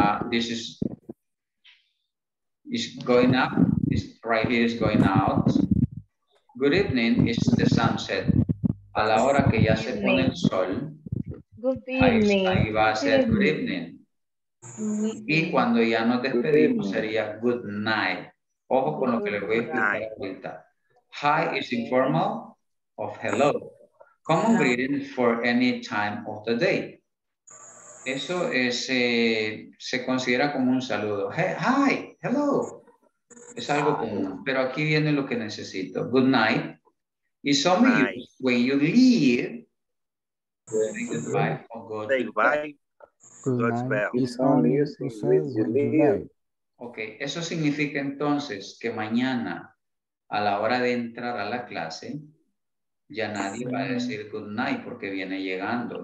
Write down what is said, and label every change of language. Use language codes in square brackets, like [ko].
[en] This is going up, it's right here is going out. Good evening is the sunset. [es] A la hora que ya se pone el sol, ahí va a ser good evening. Y cuando ya nos despedimos sería good night. Ojo con lo que le voy a explicar ahorita. [en] Hi is informal of hello. Common greeting for any time of the day. [es] Eso es, se considera como un saludo. Hey, hi, hello. Es algo común. Pero aquí viene lo que necesito. Good night. [en] Y some of you, when you leave, say goodbye. [es] Ok, eso significa entonces que mañana a la hora de entrar a la clase ya nadie va a decir good night porque viene llegando.